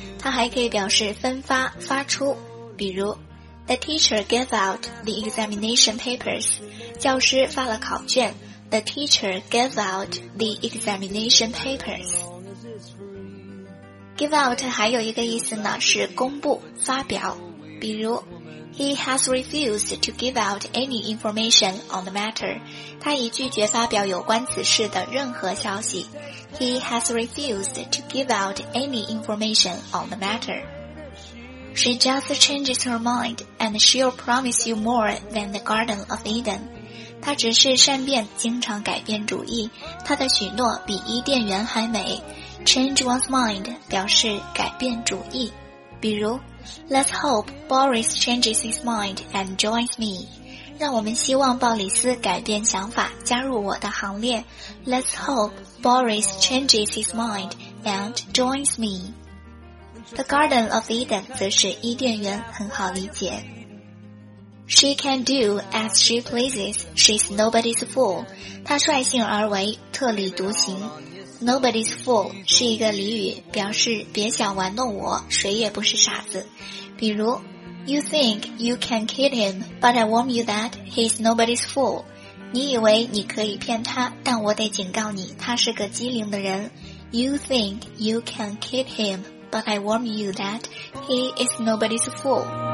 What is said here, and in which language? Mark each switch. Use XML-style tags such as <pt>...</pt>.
<zh>它还可以表示分发、发出。比如</zh> <en>,The teacher gave out the examination papers.</en> <zh>教师发了考卷。</zh> <en>The teacher gave out the examination papers.</en> <zh>Give out 还有一个意思呢，是公布、发表。比如</zh> <en>,He has refused to give out any information on the matter.</en> <zh>他已拒绝发表有关此事的任何消息。</zh> <en>He has refused to give out any information on the matter. She just changes her mind and she'll promise you more than the Garden of Eden.</en> <zh>她只是善变，经常改变主意，她的许诺比伊甸园还美。 Change one's mind 表示改变主意。比如</zh> <en>,Let's hope Boris changes his mind and joins me.</en> <zh>让我们希望鲍里斯改变想法，加入我的行列。</zh> <en>Let's hope Boris changes his mind and joins me.</en> <zh>The Garden of Eden 则是伊甸园，很好理解。</zh> <en>She can do as she pleases, she's nobody's fool.</en> <zh>她率性而为，特立独行。</zh> <en>Nobody's fool</en> <zh>是一个俚语，表示别想玩弄我，谁也不是傻子。比如</zh> <en>,You think you can kid him, but I warn you that he's nobody's fool.</en> <zh>你以为你可以骗他，但我得警告你，他是个机灵的人。</zh> <en>You think you can kid him, but I warn you that he is nobody's fool.</en>